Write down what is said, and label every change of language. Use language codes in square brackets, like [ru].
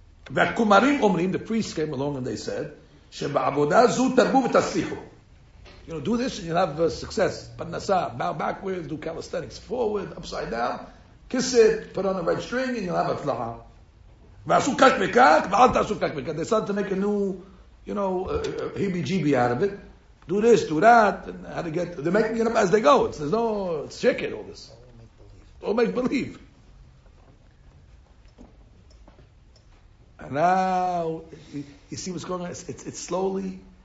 [he] והקומרים אומרים, [en] the priests came along and they said, [he] שבעבודה זו תרבו ותצליחו. [en] You know, do this and you'll have success. פנסה, bow backwards, do calisthenics forward, upside down, kiss it, put on a red string and you'll have a flaha. [he] ועשו כך וכך, ואל תעשו כך וכך. [en] They started to make a new, you know, heebie-jeebie out of it. Do this, do that, and how to get, they're making it up as they go. There's no, it's shaking all this. Or make believe. Now you see what's going on. It's slowly.